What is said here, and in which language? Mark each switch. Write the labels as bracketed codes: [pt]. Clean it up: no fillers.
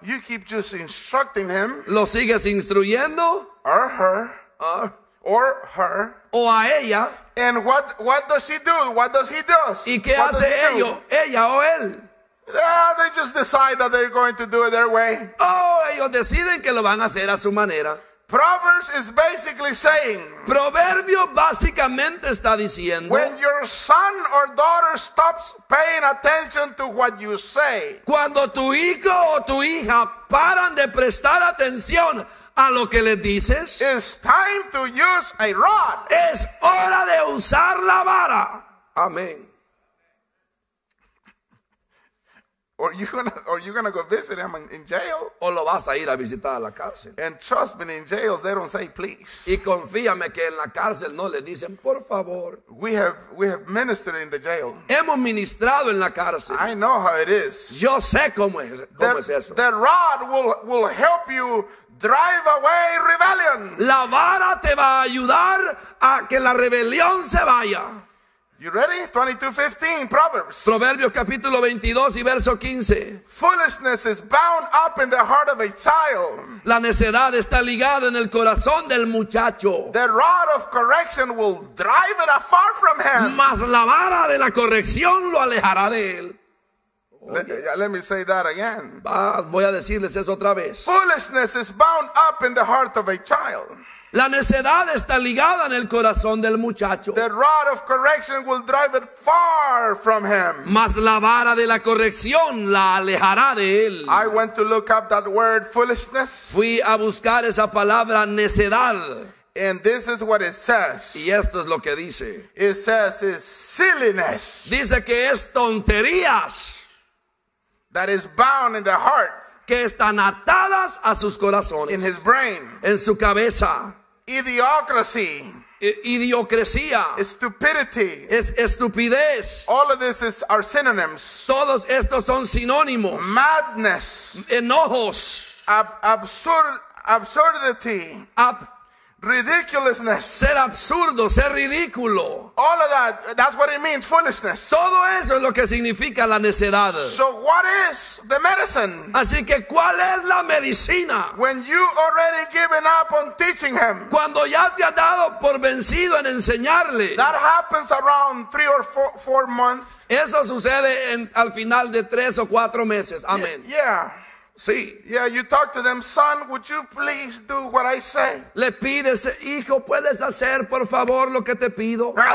[en] You keep just instructing him. [es] Lo sigues instruyendo. [en] Or her. Or her. [es] O a ella. [en] And what does she do? What does he do? [es] ¿Y qué [en] what [es] hace ello? Ella o él. [en] Yeah, they just decide that they're going to do it their way. [es] Oh, ellos deciden que lo van a hacer a su manera. [en] Proverbs is basically saying. [es] Proverbio básicamente está diciendo. [en] When your son or daughter stops paying attention to what you say. [es] Cuando tu hijo o tu hija paran de prestar atención a lo que les dices. [en] It's time to use a rod. [es] Es hora de usar la vara. [en] Amen. Or you gonna go visit him in jail? [es] O lo vas a ir a visitar a la cárcel. [en] And trust me, in jail they don't say please. [es] Y confíame que en la cárcel no le dicen por favor. [en] We have ministered in the jail. [es] Hemos ministrado en la cárcel. [en] I know how it is. [es] Yo sé cómo es eso. [en] The rod will help you drive away rebellion. [es] La vara te va a ayudar a que la rebelión se vaya. [en] You ready? 22:15, Proverbs. [es] Proverbios capítulo 22 y verso 15. [en] Foolishness is bound up in the heart of a child. [es] La necedad está ligada en el corazón del muchacho. [en] The rod of correction will drive it afar from him. [es] Mas la vara de la corrección lo alejará de él. [en] Let me say that again. [es] Voy a decirles eso otra vez. [en] Foolishness is bound up in the heart of a child. [es] La necedad está ligada en el corazón del muchacho. [en] The rod of correction will drive it far from him. [es] Mas la vara de la corrección la alejará de él. [en] I went to look up that word foolishness. [es] Fui a buscar esa palabra necedad. [en] And this is what it says. [es] Y esto es lo que dice. [en] It says it's silliness. [es] Dice que es tonterías. [en] That is bound in the heart. [es] Que están atadas a sus corazones. [en] In his brain. [es] En su cabeza. [en] Idiocracy. [es] Idiocracia. [en] Stupidity. [es] Es estupidez. [en] All of this is our synonyms. [es] Todos estos son sinónimos. [en] Madness. [es] Enojos. [en] Absurdity. Ridiculousness. [es] Ser absurdo, ser ridículo. [en] All of that, that's what it means, foolishness. [es] Todo eso es lo que significa la necedad. [en] So what is the medicine? [es] Así que, ¿cuál es la medicina? [en] When you already given up on teaching him. [es] Cuando ya te has dado por vencido en enseñarle. [en] That happens around 3 or 4 months. [es] Eso sucede al final de 3 o 4 meses. Amén. [en] Yeah. [es] Sí. [en] Yeah, you talk to them, son, would you please do what I say? [es] Le pides, hijo, ¿puedes hacer por favor lo que te pido?